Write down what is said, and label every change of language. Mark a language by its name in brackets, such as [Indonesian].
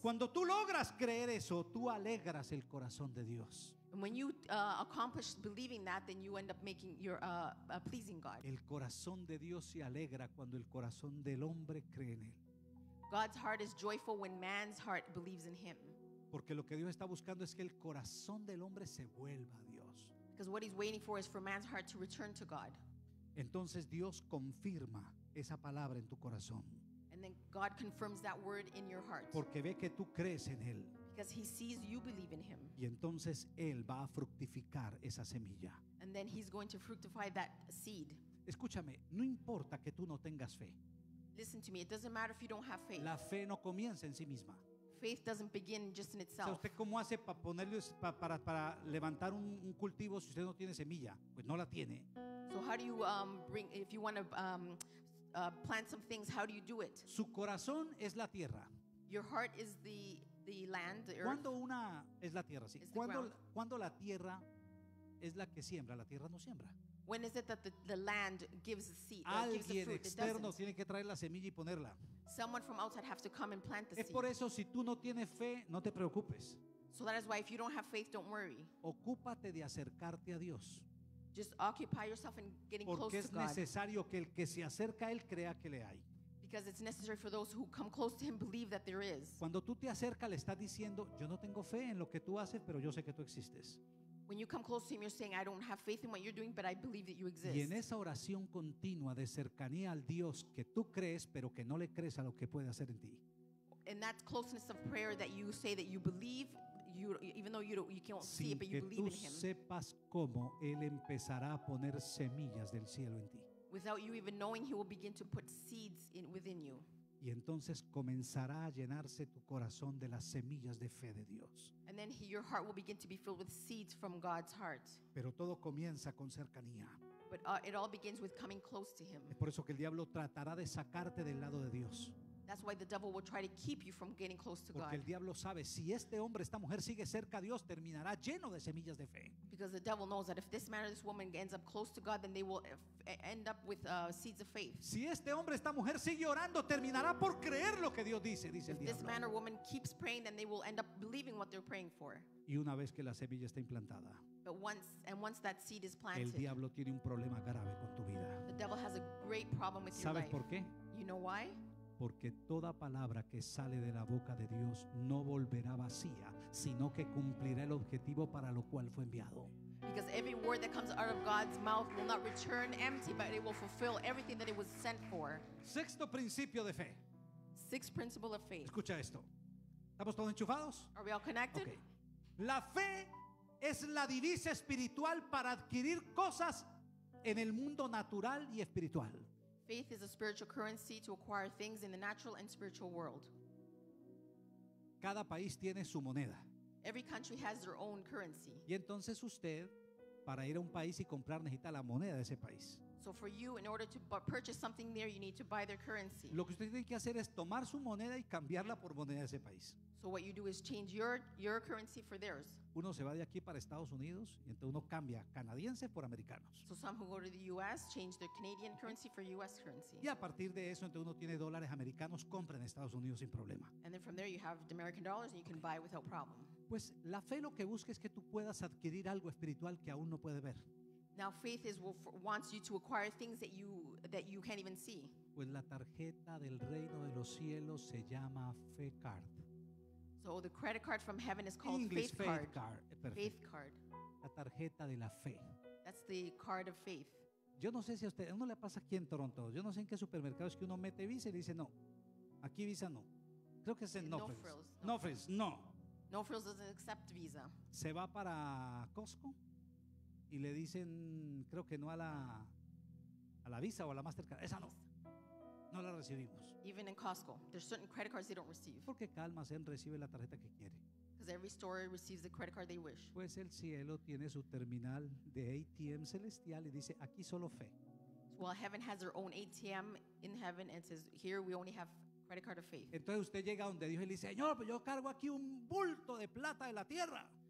[Spanish] Cuando tú logras creer eso, tú alegras el corazón de Dios. [English] And when you accomplish believing that, then you end up making pleasing God. [Spanish] El corazón de Dios se alegra cuando el corazón del hombre cree en él. [English] God's heart is joyful when man's heart believes in him. [Spanish] Porque lo que Dios está buscando es que el corazón del hombre se vuelva a Dios. [English] Because what he's waiting for is for man's heart to return to God. [Spanish] Entonces Dios confirma esa palabra en tu corazón. [English] And then God confirms that word in your heart. [Spanish] Porque ve que tú crees en él. [English] Because he sees you believe in him. [Spanish] Y entonces él va a fructificar esa semilla. [English] And then he's going to fructify that seed. [Spanish] Escúchame, no importa que tú no tengas fe. [English] Listen to me, it doesn't matter if you don't have faith. [Spanish] La fe no comienza en sí misma. [English] Faith doesn't begin just in itself. [Spanish] O sea, ¿usted cómo hace para levantar un cultivo si usted no tiene semilla? Pues no la tiene. [English] So how do you if you want to plant some things, how do you do it? [Spanish] Su corazón es la tierra. [English] Your heart is the land, the earth. [Spanish] Cuando una es la tierra, sí. Cuando la tierra es la que siembra, la tierra no siembra. [English] When is it that the land gives the seed? [Spanish] Alguien externo tiene que traer la semilla y ponerla. [English] Someone from outside has to come and plant the seed. [Spanish] Es por eso si tú no tienes fe, no te preocupes. [English] So that is why if you don't have faith, don't worry. [Spanish] Ocúpate de acercarte a Dios. [English] Just occupy yourself in getting close to God. [Spanish] Porque es necesario que el que se acerca a él crea que le hay. [English] Because it's necessary for those who come close to him believe that there is. [Spanish] Cuando tú te acercas, le estás diciendo, yo no tengo fe en lo que tú haces, pero yo sé que tú existes. [English] When you come close to him, you're saying, I don't have faith in what you're doing, but I believe that you exist. [Spanish] Y en esa oración continua de cercanía al Dios que tú crees, pero que no le crees a lo que puede hacer en ti. [English] In that closeness of prayer that you say that you believe, even though you can't see it, but you believe in him. [Spanish] Sin que tú sepas cómo él empezará a poner semillas del cielo en ti. [English] Without you even knowing, he will begin to put seeds in within you. [Spanish] Y entonces comenzará a llenarse tu corazón de las semillas de fe de Dios. [English] And then your heart will begin to be filled with seeds from God's heart. [Spanish] Pero todo comienza con cercanía. [English] But it all begins with coming close to him. [Spanish] Es por eso que el diablo tratará de sacarte del lado de Dios. [English] That's why the devil will try to keep you from getting close to God. [Spanish] Porque el diablo sabe, si este hombre, esta mujer sigue cerca a Dios, terminará lleno de semillas de fe. [English] Because the devil knows that if this man or this woman ends up close to God, then they will end up with seeds of faith. [Spanish] Si este hombre, esta mujer sigue orando, terminará por creer lo que Dios dice el diablo. [English] If this man or woman keeps praying, then they will end up believing what they're praying for. [Spanish] Y una vez que la semilla está implantada, [English] but once that seed is planted, [Spanish] el diablo tiene un problema grave con tu vida. [English] The devil has a great problem with your life. [Spanish] ¿Sabes por qué? [English] You know why? [Spanish] Porque toda palabra que sale de la boca de Dios no volverá vacía, sino que cumplirá el objetivo para lo cual fue enviado. [English] Because every word that comes out of God's mouth will not return empty, but it will fulfill everything that it was sent for. [Spanish] Sexto principio de fe. [English] Sixth principle of faith. [Spanish] Escucha esto. ¿Estamos todos enchufados? [English] Are we all connected? Okay. [Spanish] La fe es la divisa espiritual para adquirir cosas en el mundo natural y espiritual. [English] Faith is a spiritual currency to acquire things in the natural and spiritual world. [Spanish] Cada país tiene su moneda. [English] Every country has their own currency. [Spanish] Y entonces usted, para ir a un país y comprar, necesita la moneda de ese país. [English] So for you, in order to purchase something there, you need to buy their currency. [Spanish] Lo que usted tiene que hacer es tomar su moneda y cambiarla por moneda de ese país. [English] So what you do is change your currency for theirs. [Spanish] Uno se va de aquí para Estados Unidos y entonces uno cambia canadienses por americanos. [English] So some who go to the U.S. change their Canadian currency for U.S. currency. [Spanish] Y a partir de eso, entonces uno tiene dólares americanos, compra en Estados Unidos sin problema. [English] And then from there you have the American dollars and you can buy without problem. [Spanish] Pues la fe lo que busca es que tú puedas adquirir algo espiritual que aún no puedes ver. [English] Now faith is wants you to acquire things that you can't even see. [Spanish] Pues la tarjeta del reino de los cielos se llama fe card. [English] So the credit card from heaven is called English faith card. Faith card. [Spanish] La tarjeta de la fe. [English] That's the card of faith. [Spanish] Yo no sé si a usted, a uno le pasa aquí en Toronto. Yo no sé en qué supermercado es que uno mete Visa y le dice no. Aquí Visa no. Creo que es en No frills. [English] No frills doesn't accept Visa. [Spanish] Se va para Costco y le dicen, creo que no a la Visa o a la Mastercard. Esa no. No la recibimos. [English] Even in Costco, there's certain credit cards they don't receive. [Spanish] Porque cada almacén recibe la tarjeta que quiere. [English] Because every store receives the credit card they wish. [Spanish] Pues el cielo tiene su terminal de ATM celestial y dice aquí solo fe. [English] Well, heaven has their own ATM in heaven and says here we only have credit card of faith. [Spanish] Entonces usted llega donde Dios y le dice, Señor, pues yo cargo aquí un bulto de plata de la tierra.